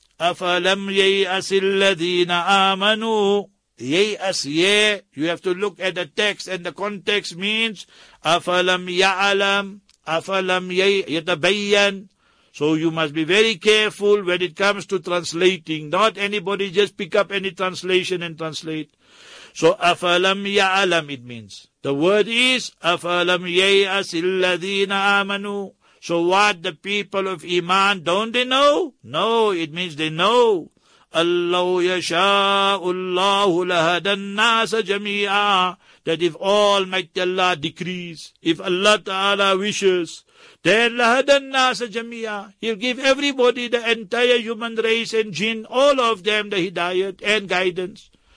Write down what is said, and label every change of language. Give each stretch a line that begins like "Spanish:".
Arabic: أَفَلَمْ يَيْأَسِ الَّذِينَ آمَنُوا, يَيْأَسْ,
English: yeah, you have to look at the text, and the context means
Arabic: أَفَلَمْ يَعْلَمْ, أَفَلَمْ يَتَبَيَّنْ.
English: So you must be very careful when it comes to translating. Not anybody just pick up any translation and translate. So
Arabic: أَفَلَمْ يَعْلَمْ,
English: it means. The word is
Arabic: أَفَلَمْ يَيْأَسِ الَّذِينَ آمَنُوا.
English: So what, the people of Iman, don't they know? No, it means they know.
Arabic: أَلَّوْ يَشَاءُ اللَّهُ لَهَدَ النَّاسَ جَمِيعًا,
English: that if Almighty Allah decrees, if Allah Ta'ala wishes, then lahadanna sa jamia, He'll give everybody, the entire human race and jinn, all of them the hidayat and guidance.